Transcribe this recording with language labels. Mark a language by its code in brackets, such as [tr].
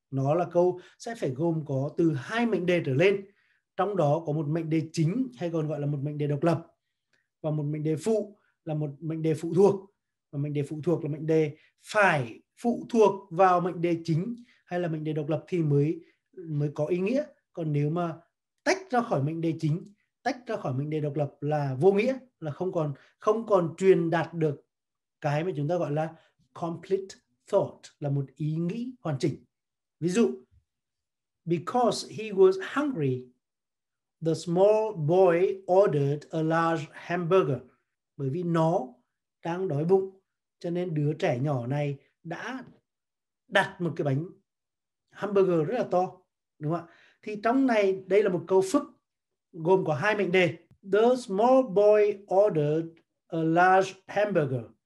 [vi] Nó là câu sẽ phải gồm có từ hai mệnh đề trở lên, trong đó có một mệnh đề chính hay còn gọi là một mệnh đề độc lập, và một mệnh đề phụ là một mệnh đề phụ thuộc, và mệnh đề phụ thuộc là mệnh đề phải phụ thuộc vào mệnh đề chính hay là mệnh đề độc lập thì mới có ý nghĩa. Còn nếu mà tách ra khỏi mệnh đề chính, tách ra khỏi mệnh đề độc lập là vô nghĩa, là không còn truyền đạt được cái mà chúng ta gọi là complete thought, là một ý nghĩ hoàn chỉnh. Ví dụ, [en] because he was hungry, the small boy ordered a large hamburger. [vi] Bởi vì nó đang đói bụng, cho nên đứa trẻ nhỏ này đã đặt một cái bánh hamburger rất là to. Đúng không ạ? Thì trong này, đây là một câu phức gồm có hai mệnh đề. [en] The small boy ordered a large hamburger.